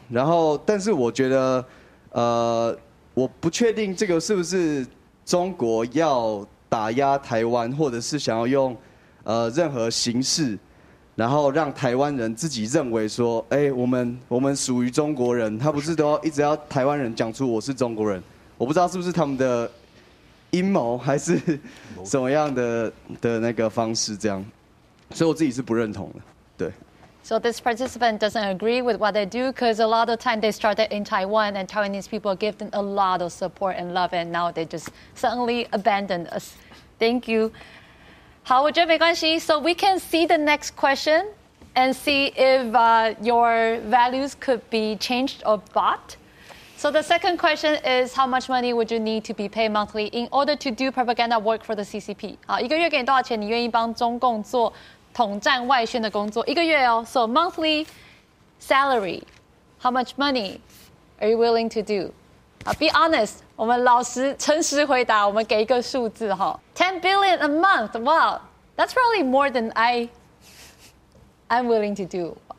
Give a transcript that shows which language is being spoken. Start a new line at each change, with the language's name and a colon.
Chinese: 然后，但是我觉得，我不确定这个是不是中国要打压台湾，或者是想要用任何形式，然后让台湾人自己认为说，哎，我们属于中国人，他不是都一直要台湾人讲出我是中国人？我不知道是不是他们的阴谋还是什么样的那个方式这样，所以我自己是不认同的。对。
English: So this participant doesn't agree with what they do because a lot of time they started in Taiwan and Taiwanese people give them a lot of support and love and now they just suddenly abandoned us. Thank you.
Chinese: 好，我觉得没关系。
English: So we can see the next question and see if your values could be changed or bought. So the second question is, how much money would you need to be paid monthly in order to do propaganda work for the CCP?
Chinese: 好，一个月给你多少钱？你愿意帮中共做统战外宣的工作？一个月哦。
English: So monthly salary, how much money are you willing to do?
Chinese: 好 ，
English: be honest，
Chinese: 我们老实诚实回答，我们给一个数字哈。
English: $10 billion a month. Wow, that's probably more than I'm willing to do.